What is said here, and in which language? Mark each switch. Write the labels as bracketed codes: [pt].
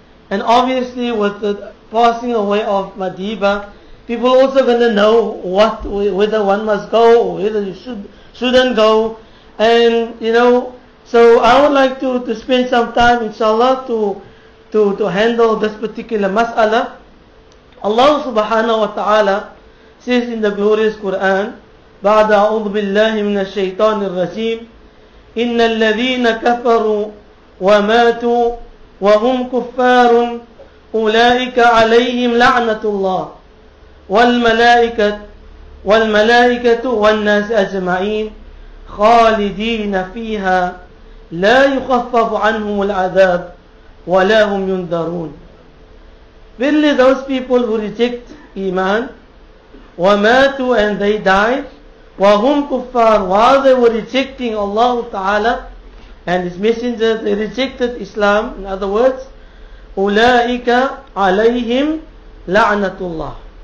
[en] And obviously, with the passing away of Madiba, people are also going to know whether one must go or whether you shouldn't go. And, you know, so I would like to spend some time, inshallah, to handle this particular mas'ala. Allah subhanahu wa ta'ala says in the glorious Quran, [ar] بَعْدَ أَعُوذُ بِاللَّهِ مِنَ الشَّيْطَانِ الرَّجِيمِ إن الذين كفروا وماتوا وهم كفار أولئك عليهم لعنة الله والملائكة والناس أجمعين خالدين فيها لا يخفف عنهم العذاب ولا هم ينذرون. [en] Really, those people who reject Iman, [ar] وماتوا, [en] and they died, [ar] وَهُمْ كُفَّارٌ, [en] while they were rejecting Allah Ta'ala and His Messenger, they rejected Islam. In other words, [ar] أُولَٰئِكَ عَلَيْهِمْ لَعْنَةُ اللَّهِ.